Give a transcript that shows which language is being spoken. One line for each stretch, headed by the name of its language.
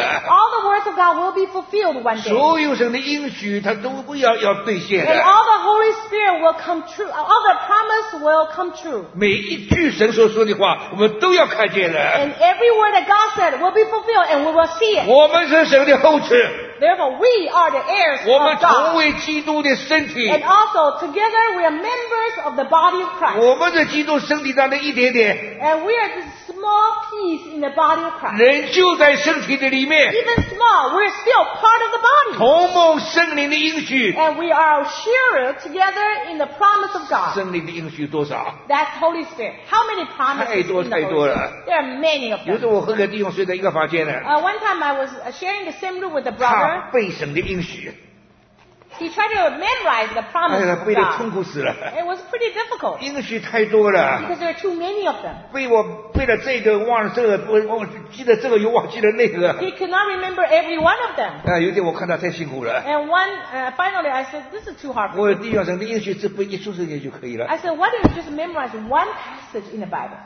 English: All the words of God will be fulfilled one day.
Chinese: 所有神的应许，它都不要要兑现的。
English: And all the Holy Spirit will come true. All the promise will come true.
Chinese: 每一句神所说的话，我们都要看见了。
English: And every word that God said will be fulfilled, and we will see it.
Chinese: 我们是神的后嗣。
English: Therefore, we are the heirs of God. And also, together, we are members of the body of Christ.
Chinese: 我们是基督身体上的一点点。
English: And we are the small piece in the body of Christ.
Chinese: 人就在身体的里面。
English: Even small, we're still part of the body.
Chinese: 同蒙圣灵的应许。
English: And we are shared together in the promise of God.
Chinese: 圣灵的应许多少？
English: That's Holy Spirit. How many promises?
Chinese: 太多太多了。
English: There are many of them.
Chinese: 有时我和个弟兄睡在一个房间呢。
English: One time I was sharing the same room with a brother.
Chinese: 他背神的应许。
English: He tried to memorize the promise.
Chinese: 哎呀，背得痛苦死了。
English: It was pretty difficult.
Chinese: 应许太多了。
English: Because there are too many of them.
Chinese: 背我背了这个，忘了这个，我记得这个又忘记了那个。
English: He could not remember every one of them.
Chinese: 哎，有点我看他太辛苦了。
English: And finally I said, this is too hard for me.
Chinese: 我弟兄说，你应许只背一处圣经就可以了。
English: I said, why don't you just memorize one passage in the Bible?